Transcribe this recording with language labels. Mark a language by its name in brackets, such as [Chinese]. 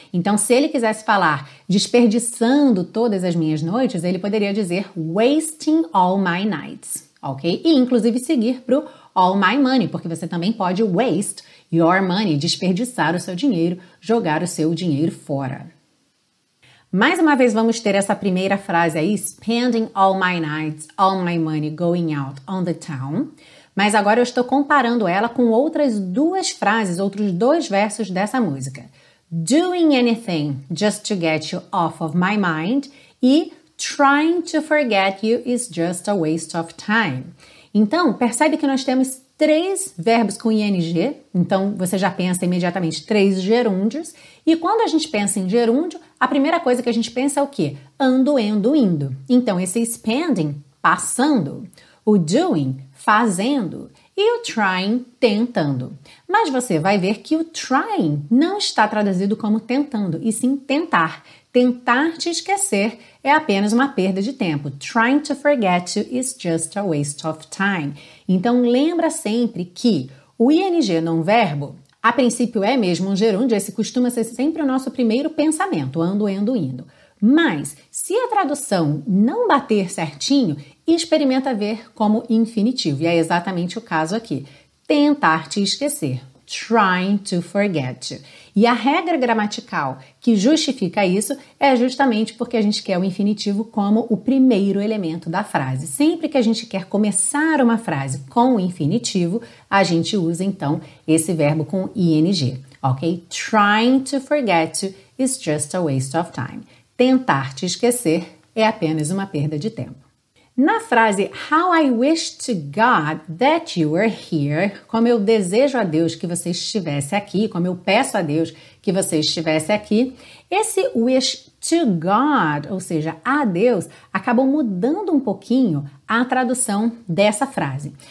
[Portuguese] Então, se ele quisesse falar desperdiçando todas as minhas noites, ele poderia dizer [English] wasting all my nights, [Portuguese] ok? E inclusive seguir para o [English] all my money, [Portuguese] porque você também pode [English] waste your money, [Portuguese] desperdiçar o seu dinheiro, jogar o seu dinheiro fora. Mais uma vez, vamos ter essa primeira frase aí, [English] spending all my nights, all my money going out on the town. [Portuguese] Mas agora eu estou comparando ela com outras duas frases, outros dois versos dessa música. [English] Doing anything just to get you off of my mind e trying to forget you is just a waste of time. [Portuguese] Então, percebe que nós temos três verbos com ing, então você já pensa imediatamente três gerúndios, e quando a gente pensa em gerúndio, a primeira coisa que a gente pensa é o quê? Ando, endo, indo. Então, esse spending, passando, o doing, fazendo, e o trying, tentando. Mas você vai ver que o trying não está traduzido como tentando, e sim tentar. Tentar te esquecer é apenas uma perda de tempo. [English] Trying to forget you is just a waste of time. [Portuguese] Então, lembra sempre que o ing num verbo, a princípio é mesmo um gerúndio, esse costuma ser sempre o nosso primeiro pensamento, ando, endo, indo. Mas, se a tradução não bater certinho, experimenta ver como infinitivo. E é exatamente o caso aqui. Tentar te esquecer. [English] Trying to forget you. [Portuguese] E a regra gramatical que justifica isso é justamente porque a gente quer o infinitivo como o primeiro elemento da frase. Sempre que a gente quer começar uma frase com o infinitivo, a gente usa então esse verbo com ing, ok? [English] Trying to forget you is just a waste of time. [Portuguese] Tentar te esquecer é apenas uma perda de tempo. Na frase, [English] how I wish to God that you were here, [Portuguese] como eu desejo a Deus que você estivesse aqui, como eu peço a Deus que você estivesse aqui, esse [English] wish to God, [Portuguese] ou seja, a Deus, acabou mudando um pouquinho a tradução dessa frase.